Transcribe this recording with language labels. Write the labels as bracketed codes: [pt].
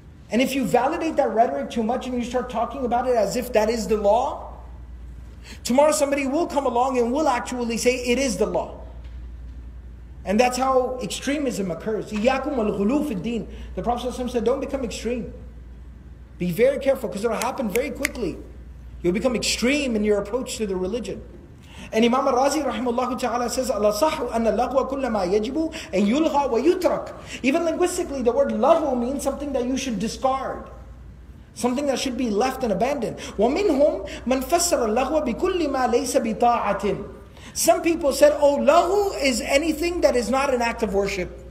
[en] And if you validate that rhetoric too much and you start talking about it as if that is the law, tomorrow somebody will come along and will actually say it is the law. And that's how extremism occurs. [ar] إِيَّاكُمْ وَالْغُلُو فِي الدِّينِ. [en] The Prophet ﷺ said, don't become extreme. Be very careful, because it'll happen very quickly. You'll become extreme in your approach to the religion. And Imam al-Razi rahimahullah ta'ala says, [ar] أَلَصَحُ أَنَّ اللَّغْوَ كُلَّ مَا يَجِبُ أَنْ يُلْغَى وَيُتْرَكُ. [en] Even linguistically, the word لَغْوَ means something that you should discard. Something that should be left and abandoned. [ar] وَمِنْهُمْ مَنْ فَسَّرَ اللَّغْوَ بِكُلِّ مَا لَيْسَ بِطَاعَةٍ. [en] Some people said, oh, لَغْوَ is anything that is not an act of worship.